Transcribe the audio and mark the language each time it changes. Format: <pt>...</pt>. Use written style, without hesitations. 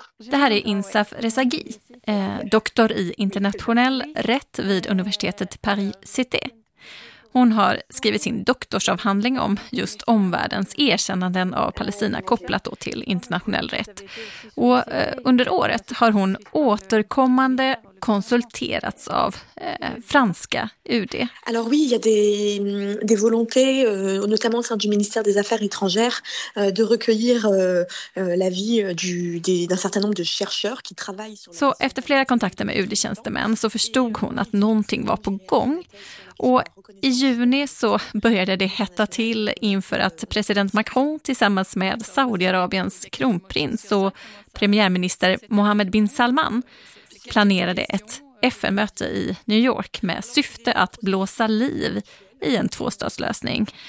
<sv>Det här är Insaf Rezaghi, doktor i internationell rätt vid universitetet Paris-Cité. Hon har skrivit sin doktorsavhandling om just omvärldens erkännanden av Palestina kopplat då till internationell rätt. Och under året har hon återkommande konsulterats av franska UD.</sv> <fr>Alors oui, il y a des volontés notamment au sein du ministère des affaires étrangères de recueillir l'avis d'un certain nombre de chercheurs qui travaillent sur.</fr> <sv>Så efter flera kontakter med UD-tjänstemän så förstod hon att någonting var på gång. Och i juni så började det hetta till inför att president Macron tillsammans med Saudiarabiens kronprins och premiärminister Mohammed bin Salman planerade ett FN-möte i New York med syfte att blåsa liv i en tvåstadslösning.</sv>